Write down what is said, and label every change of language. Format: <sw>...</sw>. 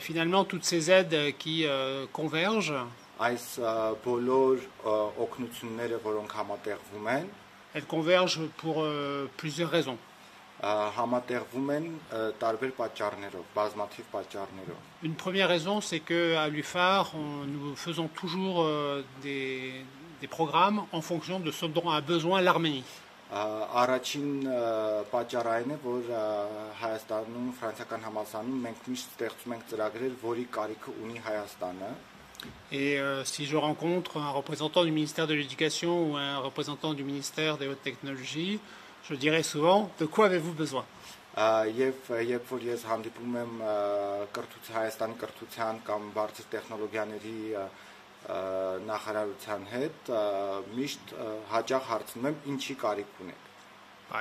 <fr>Finalement, toutes ces aides qui convergent,</fr> <hy>այս բոլոր օգնությունները, որոնք համատեղվում են,</hy> <fr>elles convergent pour plusieurs raisons.</fr> <hy>Համատեղվում են տարբեր պատճառներով, բազմաթիվ պատճառներով.</hy> <fr>Une première raison, c'est que à l'UFAR, nous faisons toujours des programmes en fonction de ce dont a besoin l'Arménie.</fr> <hy>Առաջին պատճառը այն է, որ Հայաստանում, ֆրանսիական համալսարանում մենք միշտ ստեղծում ենք ծրագրեր, որի կարիք ունի Հայաստանը.</hy> <fr>Et si je rencontre un représentant du ministère de l'Éducation ou un représentant du ministère des Hautes Technologies, je dirais souvent « De quoi avez-vous besoin ?» Par</fr>